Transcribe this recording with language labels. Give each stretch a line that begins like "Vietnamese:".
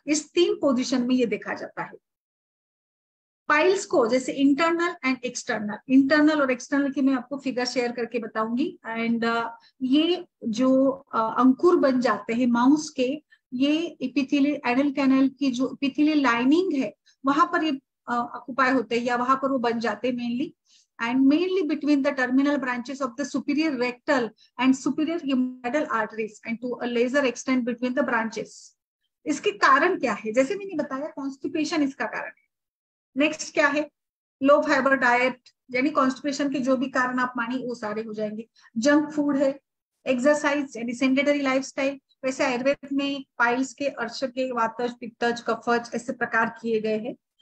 Hindi: इस तीन पोजिशन में ये देखा जाता है पाइल्स को, जैसे इंटरनल एंड एक्सटर्नल। इंटरनल और एक्सटर्नल की मैं आपको फिगर शेयर करके बताऊंगी। एंड ये जो अंकुर बन जाते हैं माउस के, ये एपिथेलियल एनल कैनल की जो एपिथेलियल लाइनिंग है वहां पर ये ऑक्यूपाई होते हैं, या वहां पर वो बन जाते हैं mainly.
English: and mainly between the terminal branches of the superior rectal and superior hepatic arteries and to a lesser extent between the branches.
Hindi: इसके कारण क्या है? जैसे मैंने बताया कॉन्स्टिपेशन इसका कारण है. नेक्स्ट क्या है? लो फाइबर डाइट, यानी कॉन्स्टिपेशन के जो भी कारण आप मानिए वो सारे हो जाएंगे. जंक फूड है, एक्सरसाइज यानी सेडेंटरी लाइफस्टाइल. वैसे आयुर्वेद में पाइल्स के, अर्श के, वातज, पित्तज, कफज ऐसे प्रकार किए गए हैं.